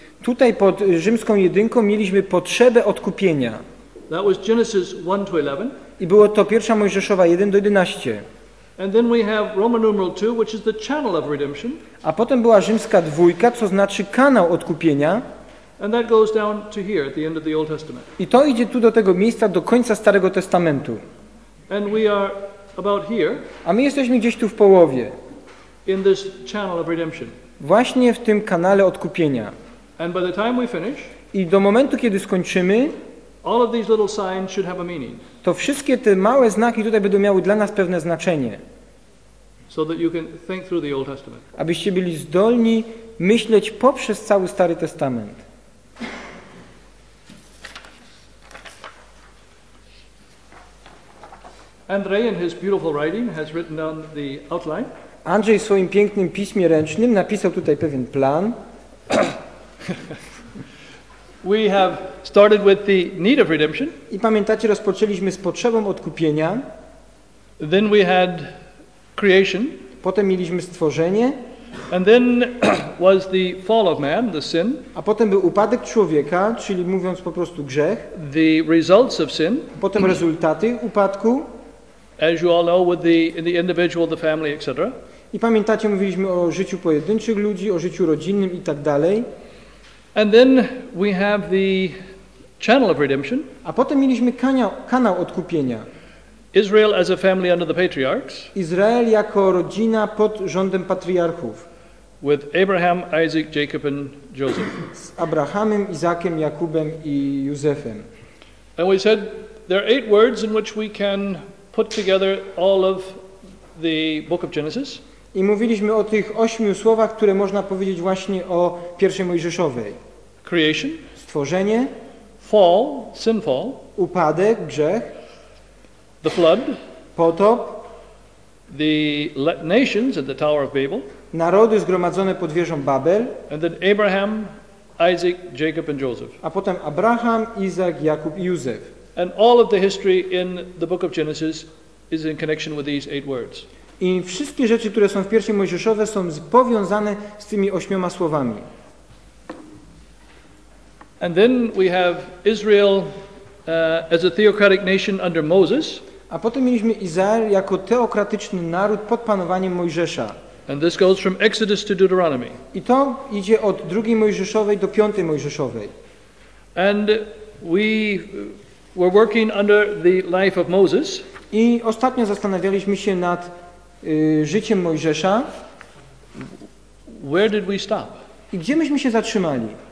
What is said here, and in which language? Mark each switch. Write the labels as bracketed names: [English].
[Polish] Tutaj pod rzymską jedynką mieliśmy potrzebę odkupienia. [English] That was Genesis 1-11. [Polish] I było to pierwsza Mojżeszowa 1-11. [English] And then we have Roman numeral 2, which is the channel of redemption. [Polish] A potem była rzymska dwójka, co znaczy kanał odkupienia. [English] And that goes down to here at the end of the Old Testament. [Polish] I to idzie tu do tego miejsca do końca Starego Testamentu. [English] And we are about here. [Polish] A my jesteśmy gdzieś tu w połowie. [English] In this channel of redemption. [Polish] Właśnie w tym kanale odkupienia. [English] And by the time we finish, [Polish] i do momentu kiedy skończymy, [English] all of these little signs should have a meaning. [Polish] To wszystkie te małe znaki tutaj będą miały dla nas pewne znaczenie. [English] So that you can think through the Old Testament. [Polish] Abyście byli zdolni myśleć poprzez cały Stary Testament. [English] Andrzej in his beautiful writing has written down the outline. [Polish] Andrzej w swoim pięknym piśmie ręcznym napisał tutaj pewien plan. [English] We have started with the need of redemption. [Polish] I pamiętacie, rozpoczęliśmy z potrzebą odkupienia. [English] Then we had creation. [Polish] Potem mieliśmy stworzenie. [English] And then was the fall of man, the sin. [Polish] A potem był upadek człowieka, czyli mówiąc po prostu grzech. [English] The results of sin. [Polish] Potem rezultaty upadku. [English] As you all know, with the individual, the family, etc. [Polish] I pamiętacie, mówiliśmy o życiu pojedynczych ludzi, o życiu rodzinnym i tak dalej. [English] And then we have the channel of redemption. [Polish] A potem mieliśmy kanał odkupienia. [English] Israel as a family under the patriarchs. [Polish] Izrael jako rodzina pod rządem patriarchów. [English] with Abraham, Isaac, Jacob and Joseph. [Polish] Z Abrahamem, Izakiem, Jakubem i Józefem. [English] And we said there are 8 words in which we can put together all of the book of Genesis. [Polish] I mówiliśmy o tych 8 słowach, które można powiedzieć właśnie o pierwszej Mojżeszowej. [English] Creation, [Polish] stworzenie, [English] fall, sinfall, [Polish] upadek, grzech, [English] the flood, [Polish] potop, [English] the nations at the Tower of Babel, [Polish] narody zgromadzone pod wieżą Babel, [English] and then Abraham, Isaac, Jacob and Joseph. [Polish] A potem Abraham, Izak, Jakub i Józef. [English] And all of the history in the book of Genesis is in connection with these 8 words. [Polish] I wszystkie rzeczy, które są w pierwszej Mojżeszowej, są powiązane z tymi 8 słowami. [English] And then we have Israel as a theocratic nation under Moses. [Polish] A potem mieliśmy Izrael jako teokratyczny naród pod panowaniem Mojżesza. [English] And this goes from Exodus to Deuteronomy. [Polish] I to idzie od drugiej Mojżeszowej do piątej Mojżeszowej. [English] And we were working under the life of Moses. [Polish] I ostatnio zastanawialiśmy się nad życiem Mojżesza. [English] Where did we stop? [Polish] I gdzie myśmy się zatrzymali?